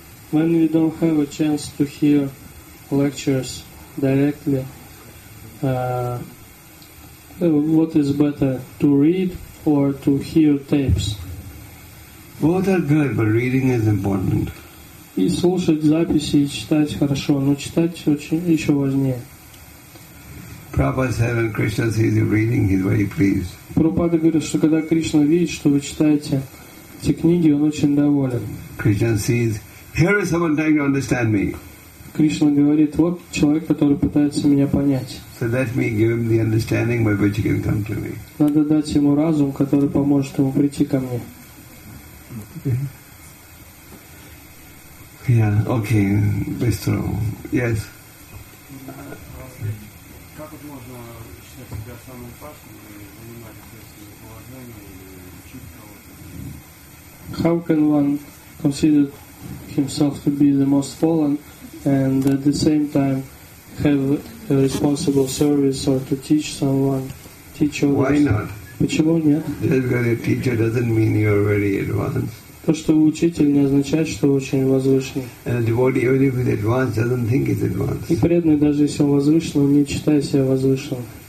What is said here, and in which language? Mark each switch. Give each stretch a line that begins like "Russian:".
English: When we don't have a chance to hear lectures directly, what is better, to read or to hear tapes? Both are good, but reading is important.
Russian: И слушать записи, и читать хорошо, но читать очень еще важнее.
English: Prabhupada said when Krishna sees you reading, he's very pleased.
Russian: Прабхупада говорит, что когда Кришна видит, что вы читаете эти книги, он очень доволен.
English: Krishna sees, here is someone trying to understand me.
Russian: Кришна говорит, вот человек, который пытается меня понять.
English: So let me give him the understanding by which he can come to me.
Russian: Надо дать ему разум, который поможет ему прийти ко мне.
English: Yeah, okay, Bistro. Yes.
Russian: Как вот можно считать себя самым опасным и занимать
English: How can one consider himself to be the most fallen and at the same time have a responsible service or to teach someone, teach others? Why not?
Russian: Почему нет?
English: Just because a teacher doesn't mean you're very advanced.
Russian: То, что вы учитель, не означает, что вы очень возвышенный. И преданный, даже если он возвышенный, он не считает себя возвышенным.